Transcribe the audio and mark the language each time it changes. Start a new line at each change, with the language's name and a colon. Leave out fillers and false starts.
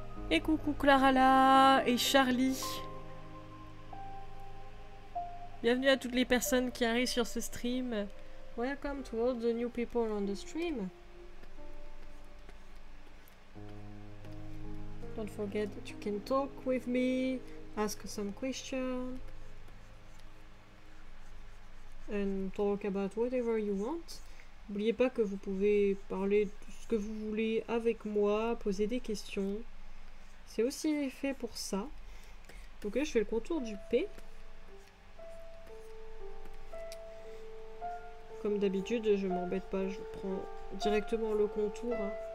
French: Et coucou Clarala et Charlie. Bienvenue à toutes les personnes qui arrivent sur ce stream.
English: Welcome to all the new people on the stream. Don't forget that you can talk with me, ask some questions, and talk about whatever you want.
French: N'oubliez pas que vous pouvez parler de ce que vous voulez avec moi, poser des questions. C'est aussi fait pour ça. Donc là, je fais le contour du P. Comme d'habitude, je m'embête pas. Je prends directement le contour. Hein.